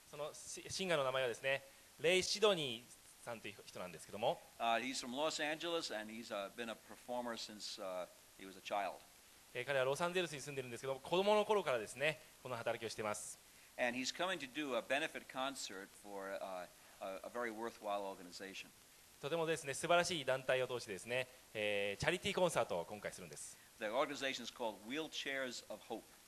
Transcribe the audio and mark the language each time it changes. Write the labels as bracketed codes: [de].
[ja] そのシンガーの名前はですね、レイ・シドニー。さんという人なんですけども、 [en] He's from Los Angeles and he's been a performer since he was a child. [ja] 彼はロサンゼルスに住んでるんですけども、子供の頃からですね、この働きをしています。 [en] And he's coming to do a benefit concert for a very worthwhile organization. [ja] とてもですね、素晴らしい団体を通してですね、チャリティーコンサートを今回するんです。 [en] The organization is called Wheelchairs of Hope.